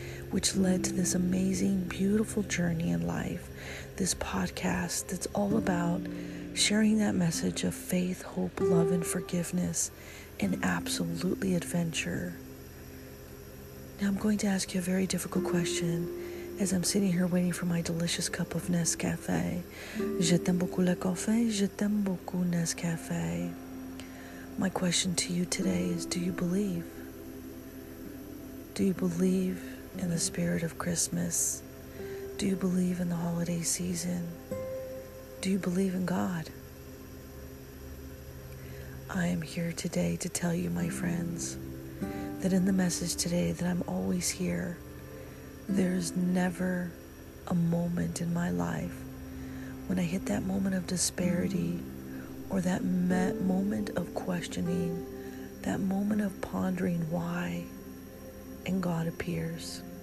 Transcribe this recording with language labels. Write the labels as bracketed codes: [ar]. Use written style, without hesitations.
[en] which led to this amazing, beautiful journey in life, this podcast that's all about sharing that message of faith, hope, love, and forgiveness, and absolutely adventure. Now I'm going to ask you a very difficult question as I'm sitting here waiting for my delicious cup of Nescafe. [fr] Je t'aime beaucoup le café, je t'aime beaucoup Nescafe. [en] My question to you today is, do you believe? Do you believe in the spirit of Christmas? Do you believe in the holiday season? Do you believe in God? I am here today to tell you, my friends, that in the message today that I'm always here, there's never a moment in my life when I hit that moment of disparity or that moment of questioning, that moment of pondering why, and God appears.